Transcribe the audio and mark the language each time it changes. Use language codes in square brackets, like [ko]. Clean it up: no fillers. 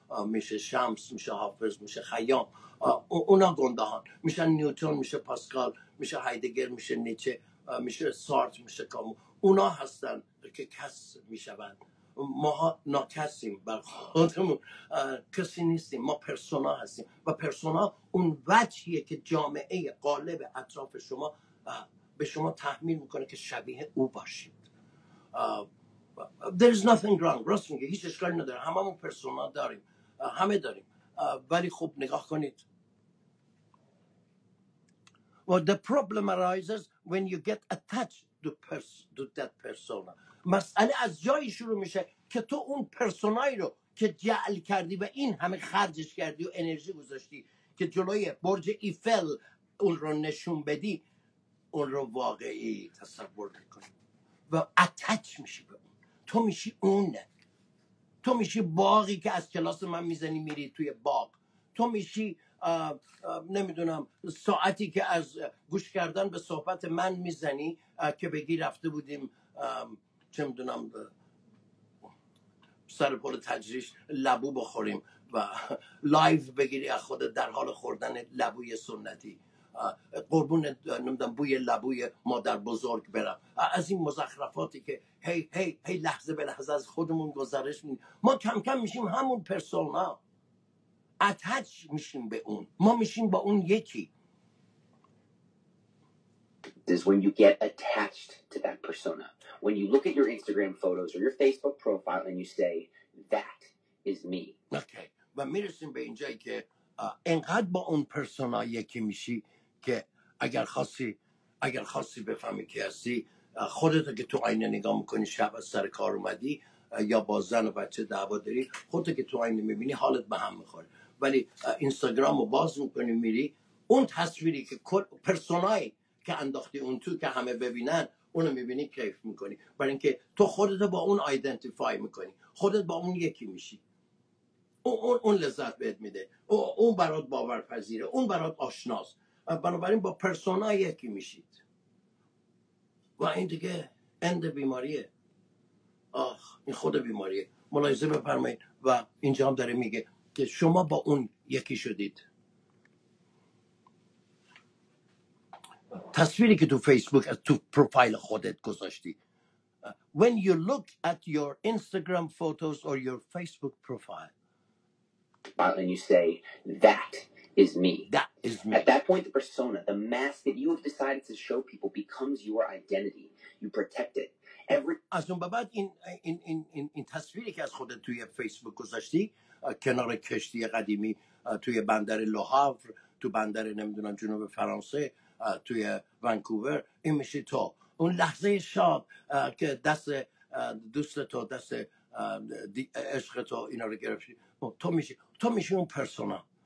[fa] میشه شمس، میشه حافظ، میشه خیام اونا گندهان میشه نیوتن، میشه پاسکال، میشه هایدگر، میشه نیچه میشه سارت، میشه کامو اونا هستن که کس میشوند ما ناکسیم بر خودمون کسی نیستیم ما پرسونا هستیم و پرسونا اون وجهیه که جامعه قالب اطراف شما به شما تحمیل میکنه که شبیه او باشید [en] There is nothing wrong. [fa] راست میگه هیچ اشکالی نداره. همه ما پرسونا داریم. همه داریم. ولی خب نگاه کنید. [en] Well, the problem arises when you get attached to that persona. [fa] مسئله از جایی شروع میشه که تو اون پرسونای رو که جعل کردی و این همه خرجش کردی و انرژی گذاشتی که جلوی برج ایفل اون رو نشون بدی، اون رو واقعی تصور کنی و اتچ میشی به اون. تو میشی اون، تو میشی باقی که از کلاس من میزنی میری توی باغ، تو میشی نمیدونم ساعتی که از گوش کردن به صحبت من میزنی که بگی رفته بودیم چه میدونم سر پل تجریش لبو بخوریم و لایف بگیری از خود در حال خوردن لبوی سنتی، قربون نمیدونم بوی لبوی مادر بزرگ برم، از این مزخرفاتی که هی لحظه به لحظه از خودمون گزارش میدیم. ما کم کم میشیم همون پرسونا، اتچ میشیم به اون، ما میشیم با اون یکی. [en] Is when you get attached to that persona. When you look at your Instagram photos or your Facebook profile and you say, that is me. Okay. [fa] و میرسیم به اینجایی که انقدر با اون پرسونا یکی میشی که اگر خواستی بفهمی که هستی، خودت که تو آینه نگاه میکنی، شب از سر کار اومدی یا با زن و بچه دعوا داری، خودت که تو آینه میبینی حالت به هم میخوره. ولی اینستاگرام رو باز میکنی میری، اون تصویری که پرسونای که انداختی اون تو که همه ببینن، اونو میبینی کیف میکنی، برای اینکه تو خودت با اون آیدنتیفای میکنی، خودت با اون یکی میشی، اون لذت بهت میده، اون برات باورپذیره، اون برات آشناست، بنابراین با پرسونا یکی میشید. و این دیگه اند بیماریه. آخ این خود بیماریه. ملاحظه بفرمایید و اینجا هم داره میگه که شما با اون یکی شدید. تصویری که تو فیسبوک از تو پروفایل خودت گذاشتی. [en] When you look at your Instagram photos or your Facebook profile. And you say that is me. That is me. At that point, the persona, the mask that you have decided to show people becomes your identity. You protect it. [fa] از اون بعد این تصویری که از خودت توی فیسبوک گذاشتی کنار کشتی قدیمی توی بندر لوهاور، تو بندر نمیدونم جنوب فرانسه، توی ونکوور، این میشه تو. اون لحظه شاد که دست دوست تو، دست عشق تو اینا رو گرفتی، تو میشی اون پرسونا.